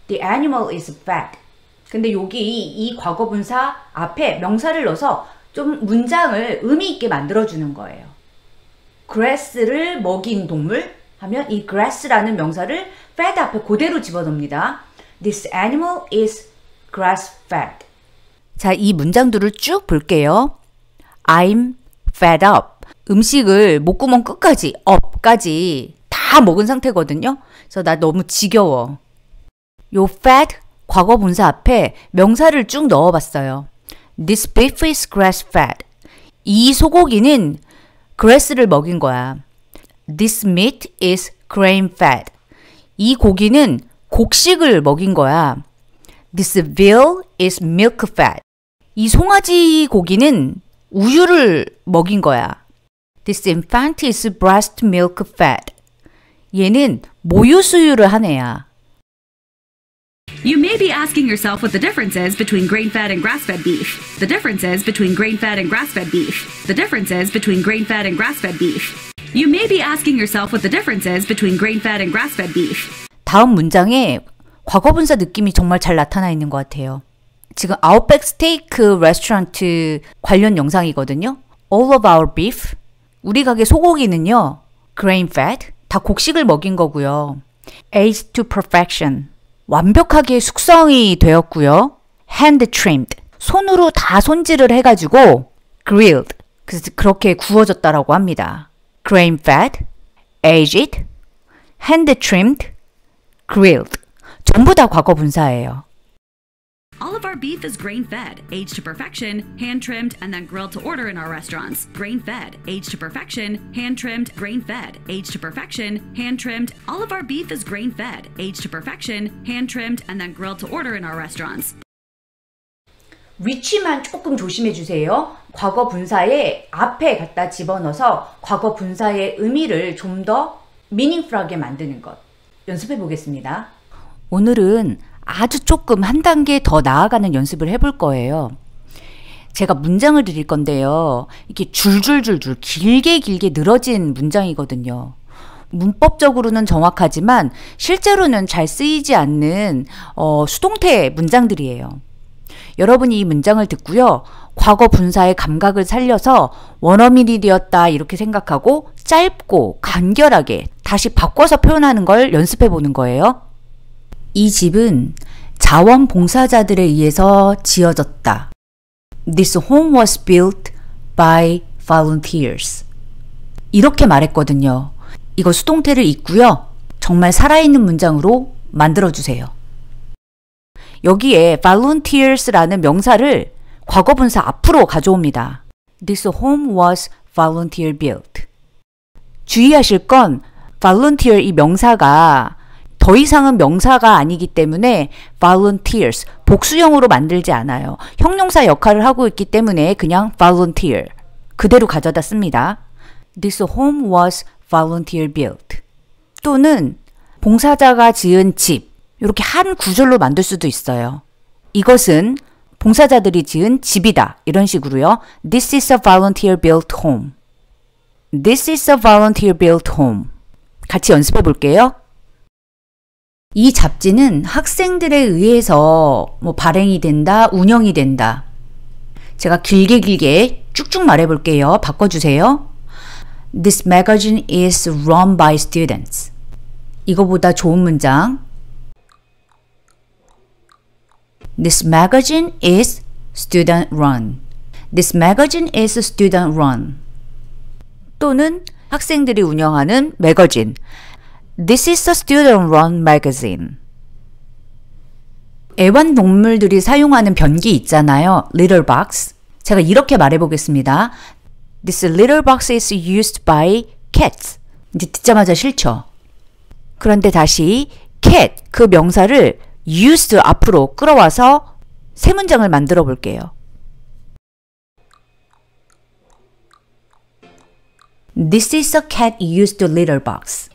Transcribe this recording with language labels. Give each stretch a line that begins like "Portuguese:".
English: The animal is fed.
Korean: 근데 여기 이 과거 분사 앞에 명사를 넣어서 좀 문장을 의미 있게 만들어주는 거예요. grass를 먹인 동물 하면 이 grass라는 명사를 fed 앞에 그대로 집어넣습니다.
English: This animal is grass fed.
Korean: 자, 이 문장들을 쭉 볼게요.
English: I'm fed up.
Korean: 음식을 목구멍 끝까지, up까지 다 먹은 상태거든요. 그래서 나 너무 지겨워. 요 fed 과거 분사 앞에 명사를 쭉 넣어봤어요.
English: This beef is grass fed.
Korean: 이 소고기는 grass를 먹인 거야.
English: This meat is grain fed.
Korean: 이 고기는 곡식을 먹인 거야.
English: This veal is milk fed.
Korean: 이 송아지 고기는 우유를 먹인 거야.
English: This infant is breast milk fed.
Korean: 얘는 모유 수유를 한 애야.
English: You may be asking yourself what the difference is between grain-fed and grass-fed beef. The difference is between grain-fed and grass-fed beef. The difference is between grain-fed and grass-fed beef. You may be asking yourself what the difference is between grain-fed and grass-fed beef.
Korean: 다음 문장에 과거분사 느낌이 정말 잘 나타나 있는 것 같아요. 지금 Outback Steak Restaurant 관련 영상이거든요.
English: All of our beef,
Korean: 우리 가게 소고기는요.
English: Grain fed,
Korean: 다 곡식을 먹인 거고요.
English: Aged to perfection,
Korean: 완벽하게 숙성이 되었고요. Hand trimmed, 손으로 다 손질을 해가지고 grilled, 그렇게 구워졌다라고 합니다.
English: Grain fed, aged, hand trimmed, grilled,
Korean: 전부 다 과거 분사예요.
English: All of our beef is grain-fed, aged to perfection, hand-trimmed, and then grilled to order in our restaurants. Grain-fed, aged to perfection, hand-trimmed, grain-fed, aged to perfection, hand-trimmed. All of our beef is grain-fed, aged to perfection, hand-trimmed, and then grilled to order in our restaurants.
Korean: 위치만 조금 조심해 주세요. 과거 분사에 앞에 갖다 집어넣어서 과거 분사의 의미를 좀 더 meaningful하게 만드는 것. 연습해 보겠습니다. 오늘은 아주 조금 한 단계 더 나아가는 연습을 해볼 거예요. 제가 문장을 드릴 건데요. 이렇게 줄줄줄줄 길게 길게 늘어진 문장이거든요. 문법적으로는 정확하지만 실제로는 잘 쓰이지 않는 수동태 문장들이에요. 여러분이 이 문장을 듣고요. 과거 분사의 감각을 살려서 원어민이 되었다 이렇게 생각하고 짧고 간결하게 다시 바꿔서 표현하는 걸 연습해 보는 거예요. 이 집은 자원봉사자들에 의해서 지어졌다.
English: This home was built by volunteers.
Korean: 이렇게 말했거든요. 이거 수동태를 잊고요. 정말 살아있는 문장으로 만들어주세요. 여기에 volunteers라는 명사를 과거분사 앞으로 가져옵니다.
English: This home was volunteer built.
Korean: 주의하실 건 volunteer 이 명사가 더 이상은 명사가 아니기 때문에 volunteers, 복수형으로 만들지 않아요. 형용사 역할을 하고 있기 때문에 그냥 volunteer, 그대로 가져다 씁니다.
English: This home was volunteer built.
Korean: 또는 봉사자가 지은 집, 이렇게 한 구절로 만들 수도 있어요. 이것은 봉사자들이 지은 집이다, 이런 식으로요.
English: This is a volunteer built home. This is a volunteer built home.
Korean: 같이 연습해 볼게요. 이 잡지는 학생들에 의해서 뭐 발행이 된다, 운영이 된다. 제가 길게 길게 쭉쭉 말해볼게요. 바꿔주세요.
English: This magazine is run by students.
Korean: 이거보다 좋은 문장.
English: This magazine is student run. This magazine is student run.
Korean: 또는 학생들이 운영하는 매거진.
English: This is a student-run magazine.
Korean: 애완동물들이 사용하는 변기 있잖아요. Litter box. 제가 이렇게 말해보겠습니다.
English: This little box is used by cats.
Korean: 이제 듣자마자 싫죠. 그런데 다시 cat 그 명사를 used 앞으로 끌어와서 세 문장을 만들어 볼게요.
English: This is a cat used litter box.